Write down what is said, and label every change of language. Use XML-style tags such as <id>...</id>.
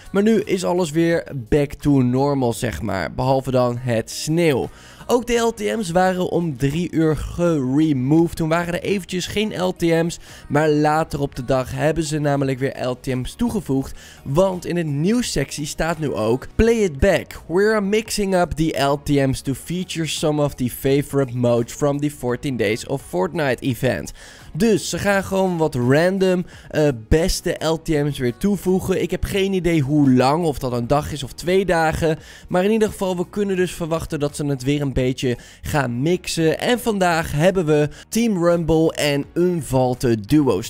<nl>Maar nu is alles weer</nl> <en>back to normal,</en> <nl>zeg maar. Behalve dan het sneeuw. Ook de LTM's waren om 3 uur geremoved. Toen waren er eventjes geen LTM's. Maar later op de dag hebben ze namelijk weer LTM's toegevoegd. Want in het nieuwssectie staat nu ook:</nl> <en>play it back. We're mixing up the LTM's to feature some of the favorite modes from the 14 days of Fortnite event.</en> <nl>Dus ze gaan gewoon wat random beste LTM's weer toevoegen. Ik heb geen idee hoe lang, of dat een dag is of 2 dagen. Maar in ieder geval, we kunnen dus verwachten dat ze het weer een beetje gaan mixen. En vandaag hebben we Team Rumble en Unvaulted Duos.</nl>